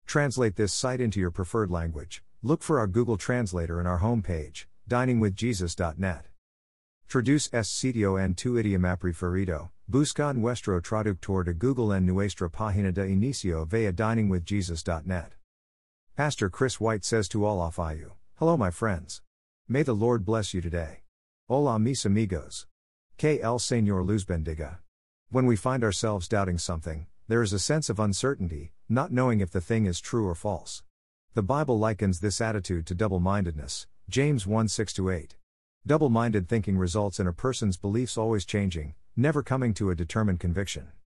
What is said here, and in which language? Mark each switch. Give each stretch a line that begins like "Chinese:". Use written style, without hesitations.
English: Translate this site into your preferred language. Look for our Google Translator in our homepage, diningwithjesus.net.
Spanish: Traduce este sitio en tu idioma preferido. Busca nuestro traductor de Google en nuestra página de inicio via diningwithjesus.net.
English: Pastor Chris White says to all of you, hello my friends. May the Lord bless you today.
Spanish: Hola mis amigos. Que el Señor los bendiga.
English: When we find ourselves doubting something, there is a sense of uncertainty, not knowing if the thing is true or false. The Bible likens this attitude to double-mindedness, James 1:6-8. Double-minded thinking results in a person's beliefs always changing, never coming to a determined conviction.